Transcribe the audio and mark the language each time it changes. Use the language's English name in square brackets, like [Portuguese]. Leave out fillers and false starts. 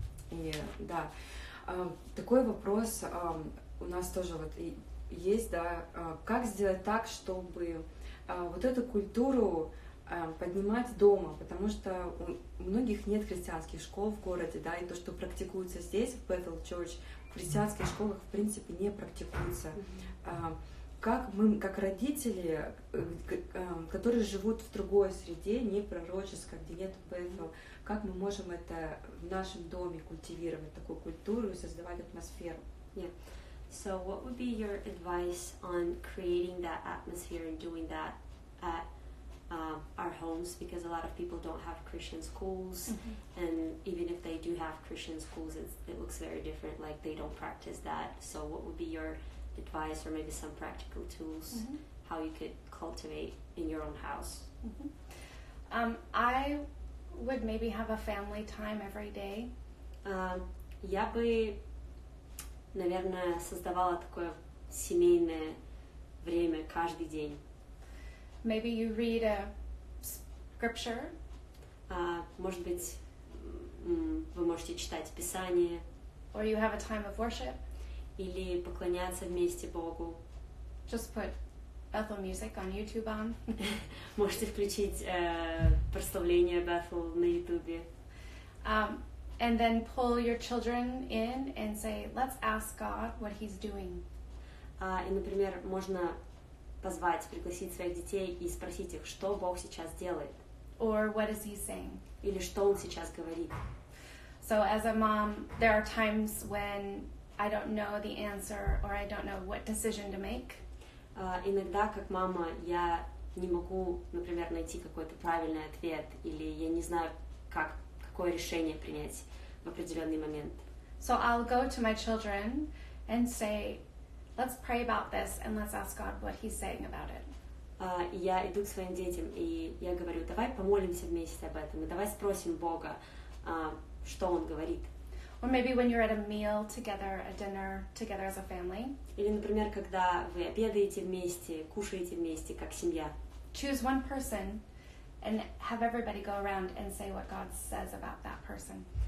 [Russian] И да, такой вопрос у нас тоже вот есть, да, как сделать так, чтобы вот эту культуру поднимать дома, потому что у многих нет христианских школ в городе, да, и то, что практикуется здесь, в Bethel Church, в христианских школах, в принципе, не практикуется. Как мы, как родители, которые живут в другой среде, не пророческой, где нет Bethel, как мы можем это в нашем доме культивировать, такую культуру и создавать атмосферу? [English] So what would be your advice on creating that atmosphere and doing that at our homes, because a lot of people don't have Christian schools, and even if they do have Christian schools, it looks very different, like they don't practice that. So what would be your advice, or maybe some practical tools, how you could cultivate in your own house? I would maybe have a family time every day. [Russian] Я бы, наверное, создавала такое семейное время каждый день. [English] Maybe you read a scripture. [Russian] Может быть, вы можете читать Писание. [English] Or you have a time of worship. [Russian] Или поклоняться вместе Богу. [English] Just put Bethel music on YouTube on. [Russian] Можете включить прославление Bethel на YouTube. [English] And then pull your children in and say, let's ask God what he's doing. [Russian] И, например, можно позвать, пригласить своих детей и спросить их, что Бог сейчас делает. [English] Or what is he saying? [Russian] Или что он сейчас говорит. [English] So as a mom, there are times when I don't know the answer or I don't know what decision to make. [Russian] Иногда, как мама, я не могу, например, найти какой-то правильный ответ или я не знаю, какое решение принять в определенный момент. [English] So I'll go to my children and say, let's pray about this and let's ask God what he's saying about it. [Russian] Я иду к своим детям, и я говорю, давай помолимся вместе об этом, и давай спросим Бога, что он говорит. [English] Or maybe when you're at a meal together, a dinner together as a family. [Russian] Или, например, когда вы обедаете вместе, кушаете вместе, как семья. [English] Choose one person and have everybody go around and say what God says about that person.